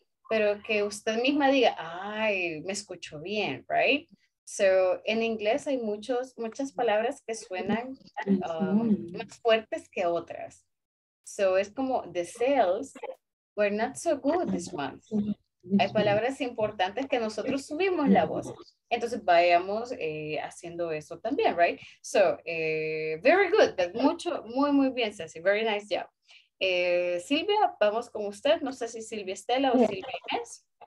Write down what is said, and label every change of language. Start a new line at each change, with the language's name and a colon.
Spanish: Pero que usted misma diga, ay, me escucho bien, right? So, en inglés hay muchas palabras que suenan más fuertes que otras.
English: So, es como, the sales were not so good this month.
Spanish: Hay palabras importantes que nosotros subimos la voz. Entonces, vayamos haciendo eso también, right? So, very good. Muy bien, Ceci. Very nice job. Silvia, vamos con usted. No sé si Silvia Estela o Silvia Inés.